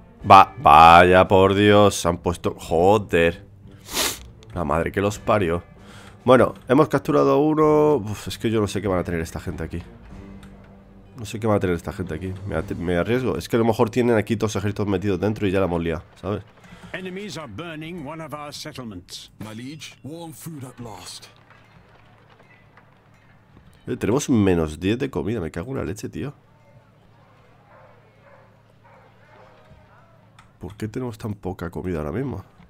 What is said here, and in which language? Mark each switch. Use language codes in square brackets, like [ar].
[es] Va, vaya por Dios, se han puesto. Joder. La madre que los parió. Bueno, hemos capturado a uno. Uf, es que yo no sé qué van a tener esta gente aquí. No sé qué va a tener esta gente aquí. Me arriesgo. Es que a lo mejor tienen aquí todos los ejércitos metidos dentro y ya la hemos liado, ¿sabes? [en] Enemies are burning one of our settlements. My liege, warm food at last. [es] Tenemos menos 10 de comida. Me cago en la leche, tío. ¿Por qué tenemos tan poca comida ahora mismo?